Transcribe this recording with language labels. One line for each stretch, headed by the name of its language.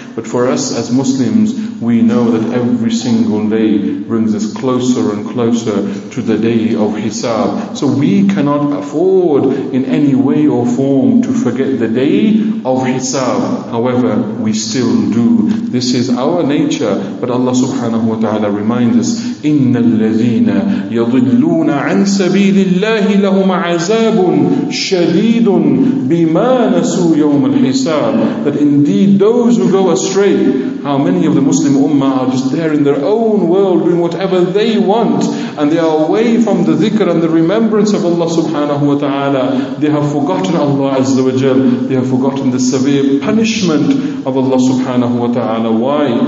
English: But for us as Muslims, we know that every single day brings us closer and closer to the day of Hisab. So we cannot afford in any way or form to forget the day of Hisab. However, we still do. This is our nature. But Allah subhanahu wa ta'ala reminds us,
Arabic: إِنَّ الَّذِينَ يَضِلُّونَ عَن سَبِيلِ اللَّهِ لَهُمْ عَزَابٌ شَدِيدٌ بِمَا نَسُوا يَوْمَ الْحِسَابِ.
English: That indeed those who go astray, how many of the Muslim Ummah are just there in their own world doing whatever they want, and they are away from the dhikr and the remembrance of Allah subhanahu wa ta'ala. They have forgotten Allah azza wa jal. They have forgotten the severe punishment of Allah subhanahu wa ta'ala. Why?